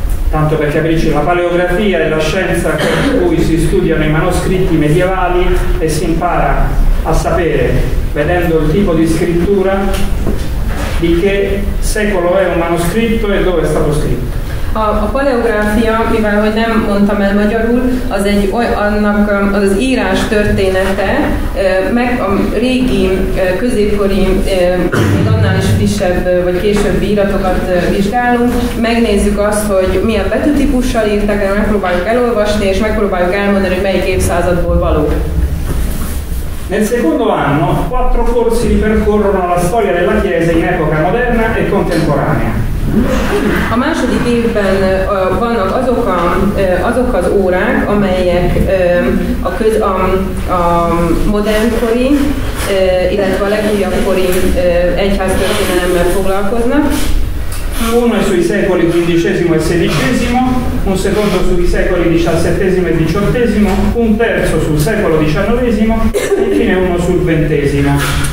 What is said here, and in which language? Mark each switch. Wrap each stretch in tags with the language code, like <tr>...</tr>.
<it>Tanto per capirci, la paleografia è la scienza con cui si studiano i manoscritti medievali e si impara a sapere, vedendo il tipo di scrittura, di che secolo è un manoscritto e dove è stato scritto.</it> <hu>A paleografia, mivel hogy nem mondtam el magyarul, az egy annak az írás története, meg a régi középkori, még annál is frissebb vagy későbbi íratokat vizsgálunk, megnézzük azt, hogy milyen betűtípussal írtak, megpróbáljuk elolvasni, és megpróbáljuk elmondani, hogy melyik évszázadból való.</hu> <it>Nel secondo anno, quattro corsi ripercorrono la storia della Chiesa in epoca moderna e contemporanea.</it> <hu>A második évben vannak azok az órák, amelyek a modernkori, illetve a legújabb kori egyháztörténelemmel foglalkoznak.</hu> <it>Uno sui secoli XV e XVI, un secondo sui secoli XVII e XVIII, un terzo sul secolo XIX, e infine uno sul XX.</it>